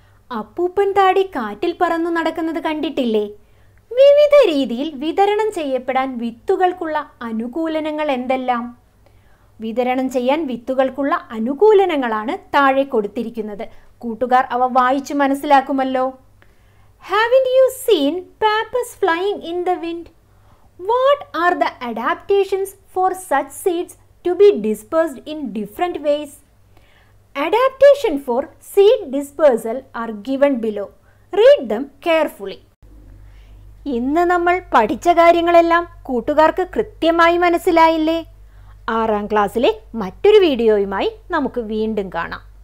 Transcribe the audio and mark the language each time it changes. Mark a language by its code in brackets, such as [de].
[ml] അപ്പൂപ്പൻതാടി കാറ്റിൽ പറന്നു നടക്കുന്നത് കണ്ടിട്ടില്ലേ? വിവിധ രീതിയിൽ വിതരണം ചെയ്യപ്പെടാൻ വിത്തുകൾക്കുള്ള അനുകൂലനങ്ങൾ എന്തെല്ലാം? വിതരണം ചെയ്യാൻ വിത്തുകൾക്കുള്ള അനുകൂലനങ്ങളാണ് താഴെ കൊടുത്തിരിക്കുന്നത്. കൂട്ടുകാർ അവ വായിച്ചു മനസ്സിലാക്കുമല്ലോ. [en] Haven't you seen pappus flying in the wind? What are the adaptations for such seeds to be dispersed in different ways? Adaptation for seed dispersal are given below. Read them carefully. [ml] ഇന്ന് നമ്മൾ പഠിച്ച കാര്യങ്ങളെല്ലാം കൂട്ടുകാർക്ക് കൃത്യമായി മനസ്സിലായില്ലേ? 6-ാം ക്ലാസ്സിലെ മറ്റൊരു വീഡിയോയുമായി നമുക്ക് വീണ്ടും കാണാം.